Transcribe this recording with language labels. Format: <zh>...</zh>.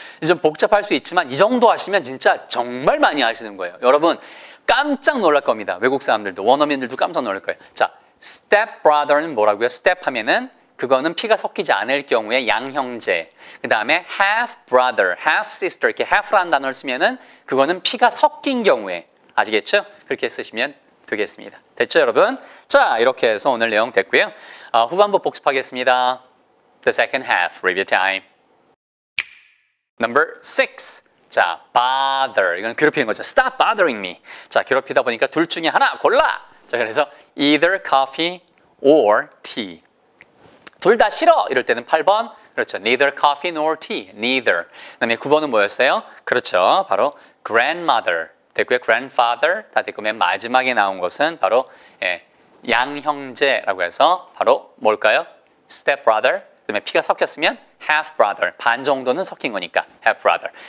<ko>좀 복잡할 수 있지만 이 정도 하시면 진짜 정말 많이 아시는 거예요 여러분 깜짝 놀랄 겁니다 외국 사람들도 원어민들도 깜짝 놀랄 거예요 자 step brother는 뭐라고요 step 하면은 그거는 피가 섞이지 않을 경우에 양형제. 그 다음에 half brother, half sister 이렇게 half라는 단어를 쓰면은 그거는 피가 섞인 경우에 아시겠죠? 그렇게 쓰시면 되겠습니다. 됐죠, 여러분? 자, 이렇게 해서 오늘 내용 됐고요. 후반부 복습하겠습니다.</ko> <en>The second half review time. Number six.</en> <ko>자, bother. 이건 괴롭히는 거죠.</ko> <en>Stop bothering me.</en> <ko>자, 괴롭히다 보니까 둘 중에 하나 골라. 자, 그래서</ko> <en>either coffee or tea.</en> <ko>둘 다 싫어! 이럴 때는 8번. 그렇죠.</ko> <en>Neither coffee nor tea. Neither.</en> <ko>그 다음에 9번은 뭐였어요? 그렇죠. 바로 grandmother. 됐고요. grandfather. 다 됐고, 맨 마지막에 나온 것은 바로 예, 양형제라고 해서 바로 뭘까요? stepbrother. 그 다음에 피가 섞였으면 halfbrother. 반 정도는 섞인 거니까 halfbrother.</ko>